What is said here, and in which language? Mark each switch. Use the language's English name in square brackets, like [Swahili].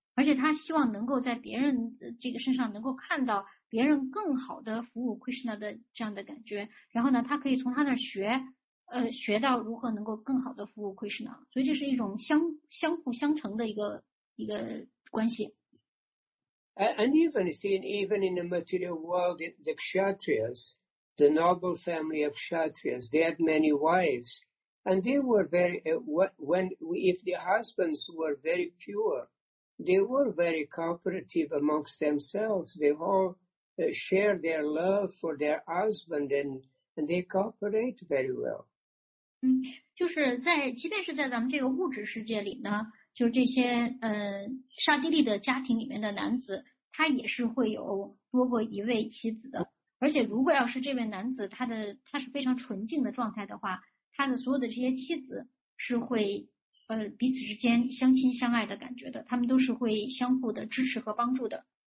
[Chinese] 而且他希望能够在别人这个身上能够看到别人更好的服务 Krishna 的这样的感觉。然后呢，他可以从他那儿学到如何能够更好的服务 Krishna。所以这是一种相互相成的一个关系。 [English] And even in the material world, the Kshatriyas, the noble family of Kshatriyas, they had many wives, and they were very if the husbands were very pure, they were very cooperative amongst themselves. They all share their love for their husband, and they cooperate very well. [Chinese] 就是在即便是在咱们这个物质世界里呢。就这些沙地利的家庭里面的男子，他也是会有多过一位妻子的。而且如果要是这位男子他是非常纯净的状态的话，他的所有的这些妻子是会彼此之间相亲相爱的感觉的，他们都是会相互的支持和帮助的。